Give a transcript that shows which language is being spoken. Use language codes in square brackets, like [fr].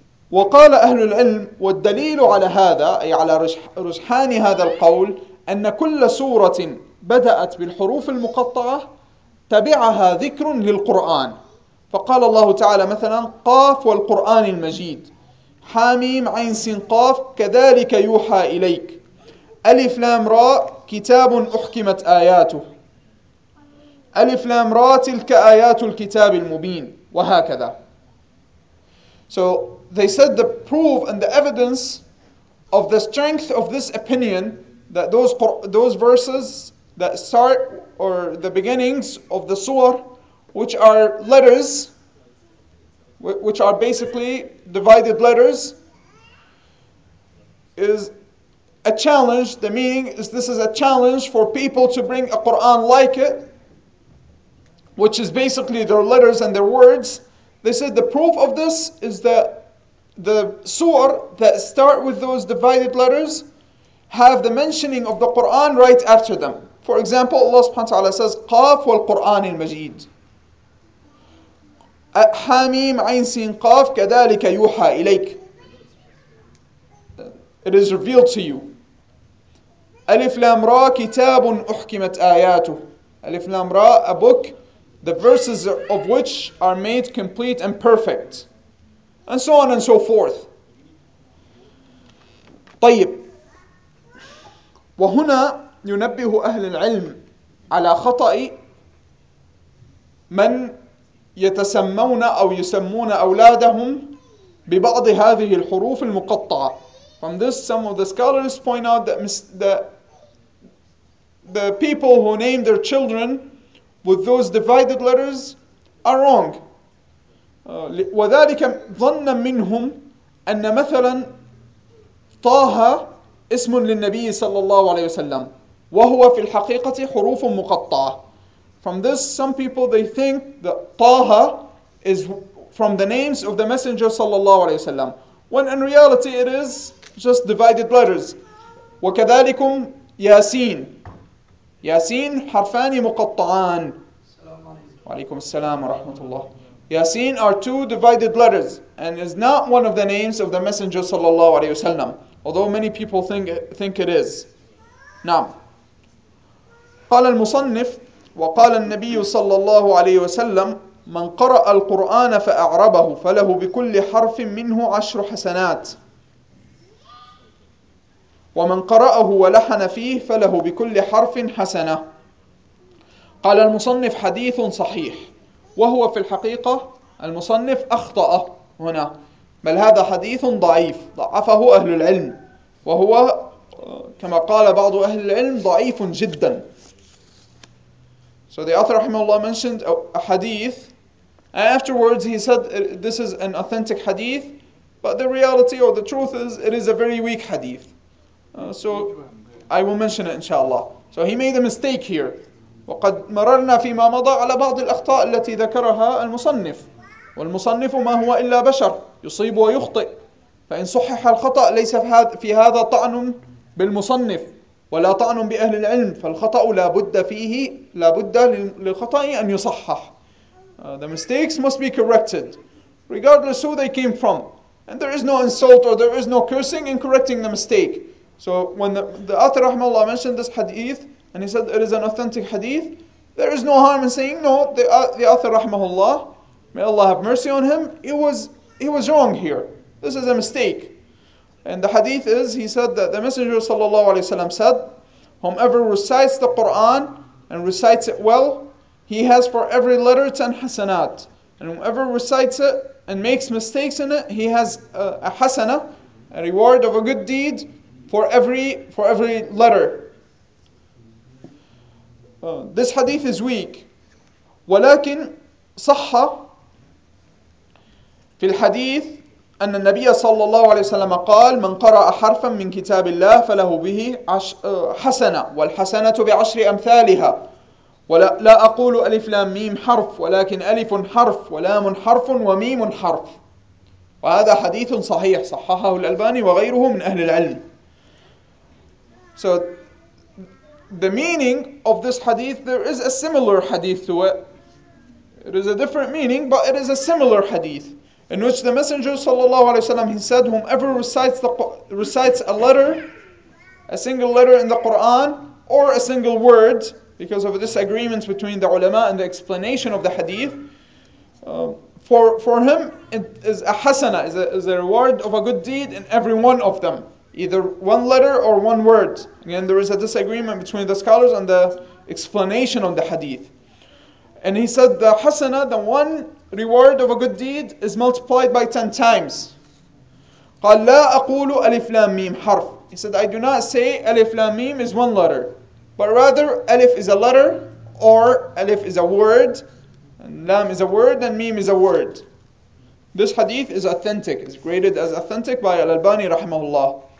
[ar] وقال أهل العلم والدليل على هذا أي على رجحان هذا القول أن كل سورة بدأت بالحروف المقطعة تبعها ذكر للقرآن فقال الله تعالى مثلا قاف والقرآن المجيد حاميم عين سين قاف كذلك يوحى إليك ألف لام راء كتاب أحكمت آياته ألف لام راء تلك آيات الكتاب المبين وهكذا. [en] So they said the proof and the evidence of the strength of this opinion that those verses that start or the beginnings of the surah which are letters which are basically divided letters, is a challenge. The meaning is this is a challenge for people to bring a Qur'an like it, which is basically their letters and their words. They said the proof of this is that the surah that start with those divided letters have the mentioning of the Qur'an right after them. [ar] For example, Allah subhanahu wa ta'ala says, قَافْ وَالْقُرْآنِ الْمَجِيدِ حاميم عين سين قاف كذلك يوحى إليك. [en] It is revealed to you. [ar] ألف لام را كتاب أحكمت آياته. ألف لام را [en] a book, the verses of which are made complete and perfect, and so on and so forth. [ar] طيب. وهنا ينبه أهل العلم على خطأ من يتسمون أو يسمون أولادهم ببعض هذه الحروف المقطعة. [en] From this, some of the scholars point out that the people who name their children with those divided letters are wrong. [ar] وذلك ظن منهم أن مثلا طه اسم للنبي صلى الله عليه وسلم وهو في الحقيقة حروف مقطعة. [en] From this, some people, they think that Taha is from the names of the Messenger sallallahu alayhi wasallam, when in reality it is just divided letters. [ar] وَكَذَلِكُمْ يَاسِينَ يَاسِينَ حَرْفَانِ مُقَطَّعَانَ وَعَلَيْكُمْ السَّلَامُ وَرَحْمَةُ اللَّهِ يَاسِينَ [en] are two divided letters and is not one of the names of the Messenger sallallahu alayhi wasallam, although many people think it is. [ar] نعم. قال المصنف وقال النبي صلى الله عليه وسلم من قرأ القرآن فأعربه فله بكل حرف منه عشر حسنات ومن قرأه ولحن فيه فله بكل حرف حسنة. قال المصنف حديث صحيح وهو في الحقيقة المصنف أخطأ هنا بل هذا حديث ضعيف ضعفه أهل العلم وهو كما قال بعض أهل العلم ضعيف جدا. [en] So the author, rahimahullah, mentioned a hadith. Afterwards, he said this is an authentic hadith, but the reality or the truth is it is a very weak hadith. So I will mention it, inshallah. So he made a mistake here. [ar] وَقَدْ مَرَرْنَا فِي مَا مَضَى عَلَى بَعْضِ الْأَخْطَاءِ الَّتِي ذَكَرَهَا الْمُصَنِّفُ وَالْمُصَنِّفُ مَا هُوَ إِلَّا بَشَرٌ يُصِيبُ وَيُخْطِئُ فَإِنْ صُحِّحَ الْخَطَأُ لَيْسَ فِي هَذَا طَعْنٌ بِالْمُصَنِّفِ ولا طعن بأهل العلم فالخطأ لا بد للخطأ أن يصحح. [en] The mistakes must be corrected. regardless who they came from. And there is no insult or there is no cursing in correcting the mistake. So when the author, rahmahullah, mentioned this hadith, and he said it is an authentic hadith, there is no harm in saying, no, the author, rahmahullah, may Allah have mercy on him, he was wrong here. This is a mistake. And the hadith is, he said that the Messenger sallallahu alayhi wa sallam said, whomever recites the Qur'an and recites it well, he has for every letter 10 hasanat. And whoever recites it and makes mistakes in it, he has a hasana, a reward of a good deed, for every letter. This hadith is weak. [ar] ولكن صح في الحديث أن النبي صلى الله عليه وسلم قال من قرأ حرفا من كتاب الله فله به حسنة والحسنة بعشر أمثالها ولا أقول ألف لام ميم حرف ولكن ألف حرف ولام حرف وميم حرف. وهذا حديث صحيح صححه الألباني وغيره من أهل العلم. [en] So the meaning of this hadith, there is a similar hadith to it. It is a different meaning, but it is a similar hadith in which the Messenger sallallahu alaihi wasallam, he said, whomever recites a letter, a single letter in the Quran, or a single word, because of disagreements between the ulama and the explanation of the hadith, for him it is a hasana, is a reward of a good deed in every one of them, either one letter or one word. Again, there is a disagreement between the scholars on the explanation of the hadith. And he said the hasana, the one reward of a good deed, is multiplied by 10 times. [ar] قال لا أقول ألف لام ميم حرف. [en] He said, I do not say [ar] ألف لام ميم [en] is one letter, but rather ألف is a letter, or ألف is a word, and لام is a word, and ميم is a word. This hadith is authentic, is graded as authentic by Al-Albani rahimahullah.